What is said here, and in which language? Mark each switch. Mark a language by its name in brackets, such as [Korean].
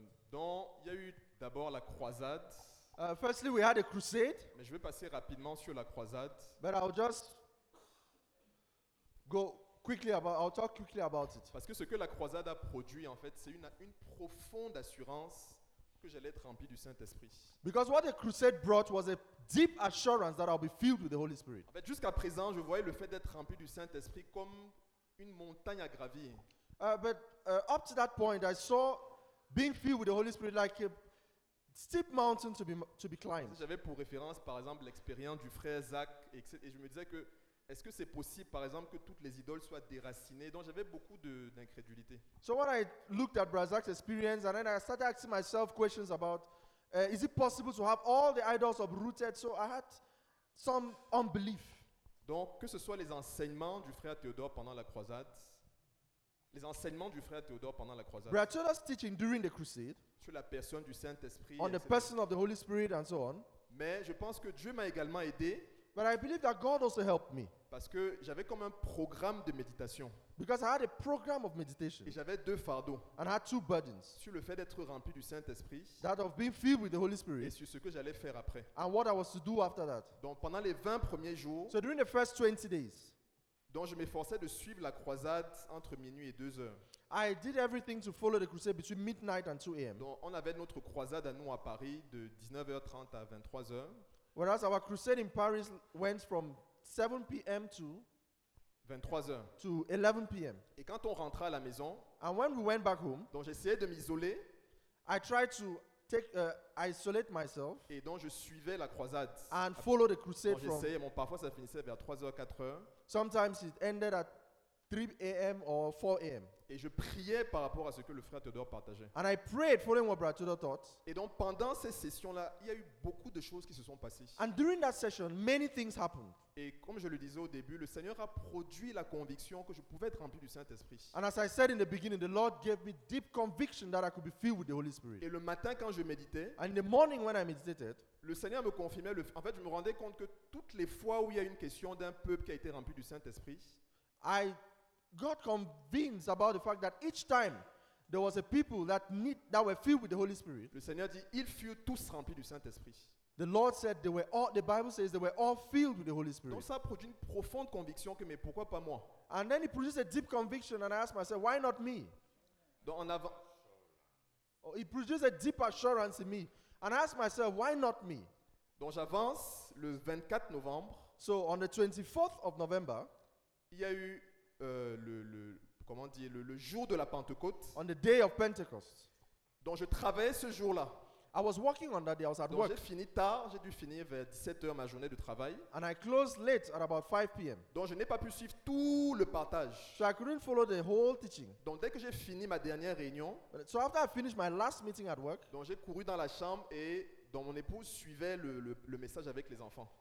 [French] Donc, il y a eu d'abord la croisade. [English] Firstly, we had a crusade. [French] Mais je vais passer rapidement sur la croisade. [English] But I'll just go quickly about. I'll talk quickly about it. [French] Parce que ce que la croisade a produit, en fait, c'est une profonde assurance que j'allais être rempli du Saint-Esprit. [English] Because what the crusade brought was a deep assurance that I'll be filled with the Holy Spirit. [French] En fait, jusqu'à présent, je voyais le fait d'être rempli du Saint-Esprit comme une montagne à gravir. [English] But up to that point, I saw being filled with the Holy Spirit like a steep mountain to be climbed. [French] J'avais pour référence, par exemple, l'expérience du frère Zach, et je me disais que est-ce que c'est possible, par exemple, que toutes les idoles soient déracinées? Donc j'avais beaucoup d'incrédulité. [English] So when I looked at Brother Zach's experience, and then I started asking myself questions about, is it possible to have all the idols uprooted? So I had some unbelief. [French] Donc que ce soit les enseignements du frère Théodore pendant la croisade. Les enseignements du frère Théodore pendant la croisade. [English] Brother Theodore's teaching during the crusade. [French] Sur la personne du Saint-Esprit. [English] On the person of the Holy Spirit and so on. [French] Mais je pense que Dieu m'a également aidé. [English] But I believe that God also helped me. [French] Parce que j'avais comme un programme de méditation. [English] Because I had a program of meditation. [French] Et j'avais deux fardeaux. [English] And I had two burdens. [French] Sur le fait d'être rempli du Saint-Esprit. [English] That of being filled with the Holy Spirit. [French] Et sur ce que j'allais faire après. [English] And what I was to do after that. [French] Donc pendant les 20 premiers jours. [English] So during the first 20 days. [French] Donc je m'efforçais de suivre la croisade entre minuit et 2 heures. [English] I did everything to follow the crusade between midnight and 2 a.m. [French] Donc on avait notre croisade à nous à Paris de 19h30 à 23h. [English] Whereas our crusade in Paris went from 7 p.m. to [French] 23h. [English] To 11 p.m. [French] Et quand on rentrait à la maison, [English] and when we went back home, [French] donc j'essayais de m'isoler. [English] I tried to isolate myself. [French] Et donc je suivais la croisade. [English] And follow the crusade. [French] Donc j'essayais, mais parfois ça finissait vers 3h, 4h. [English] Sometimes it ended at 3 a.m. or 4 a.m. [French] Et je priais par rapport à ce que le frère Théodore partageait. [English] And I prayed following what Brother Théodore taught. [French] Et donc pendant ces sessions-là, il y a eu beaucoup de choses qui se sont passées. [English] And during that session, many things happened. [French] Et comme je le disais au début, le Seigneur a produit la conviction que je pouvais être rempli du Saint-Esprit. [English] And as I said in the beginning, the Lord gave me deep conviction that I could be filled with the Holy Spirit. [French] Et le matin quand je méditais, [English] and in the morning when I meditated, [French] le Seigneur me confirmait, en fait je me rendais compte que toutes les fois où il y a une question d'un peuple qui a été rempli du Saint-Esprit, [English] I got convinced about the fact that each time there was a people that were filled with the Holy Spirit. [French] Le Seigneur dit, ils furent tous remplis du Saint-Esprit. [English] The Lord said they were all. The Bible says they were all filled with the Holy Spirit. [French] Donc ça produit une profonde conviction que mais pourquoi pas moi? [English] And then it produced a deep conviction, and I asked myself, why not me? [French] Donc en avant. [English] Oh, it produced a deep assurance in me, and I asked myself, why not me? [French] Donc j'avance le 24 novembre. [English] So on the 24th of November, [French] il y a eu le jour de la Pentecôte. [English] On the day of Pentecost. [French] Donc je travaillais ce jour-là. [English] I was working on that day, I was at [French] donc [English] work. [French] J'ai fini tard, j'ai dû finir vers 17h ma journée de travail. [English] And I closed late at about 5 p.m. [French] Donc je n'ai pas pu suivre tout le partage. [English] So I couldn't follow the whole teaching. [French] Donc dès que j'ai fini ma dernière réunion, [English] so after I finished my last meeting at work, [French] donc j'ai couru dans la chambre et dont mon épouse suivait le message avec les enfants.